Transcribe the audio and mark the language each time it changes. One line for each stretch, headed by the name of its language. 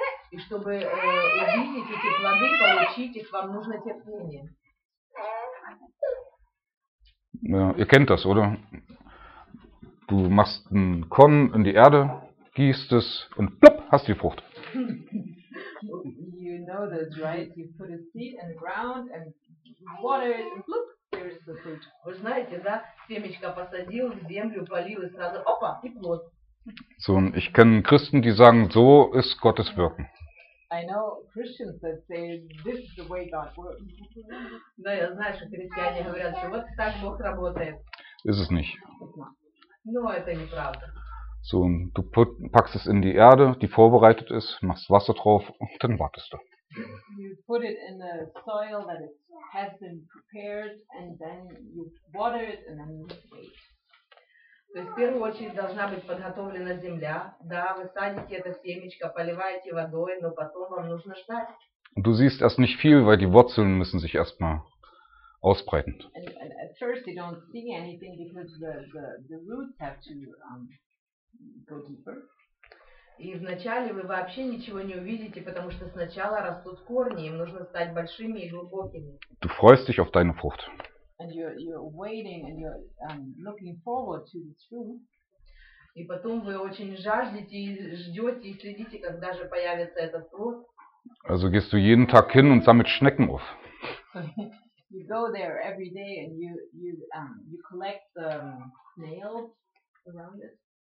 Russian: И чтобы увидеть эти плоды, получить их, вам нужно терпение.
German: Ihr kennt das, oder? Du machst einen Korn in die Erde, gießt es und plopp, hast die Frucht.
English: You know this, right? You put a seed in the ground and water it and plopp, there is the fruit.
Russian: Вы знаете, да? Семечко посадил, в землю полил и сразу опа, и плод.
German: So, ich kenne Christen, die sagen, so ist Gottes Wirken.
English: I know Christians that say this is the way God works.
Russian: Да, я знаю, что христиане говорят, что вот так Бог работает.
German: Ist es nicht.
Russian: Но это неправда.
German: So, du packst es in die Erde, die vorbereitet ist, machst Wasser drauf und dann wartest du.
English: You put it in the soil that it has been prepared and then you water it and then you wait.
Russian: То есть, в первую очередь, должна быть подготовлена земля. Да, вы садите это семечко, поливаете водой, но потом вам нужно ждать.
German: Du siehst erst nicht viel, weil die Wurzeln müssen sich erstmal ausbreiten.
English: And at first you don't see anything because the roots have to go deeper.
Russian: И вначале вы вообще ничего не увидите, потому что сначала растут корни, им нужно стать большими и глубокими.
German: Du freust dich auf deine Frucht.
English: And you're waiting and you're looking forward to this fruit.
Russian: И потом вы очень жаждете и ждете и следите, когда же появится этот плод.
German: Also gehst du jeden Tag hin und sammelst Schnecken auf.
English: You go there every day and you collect the snails around it.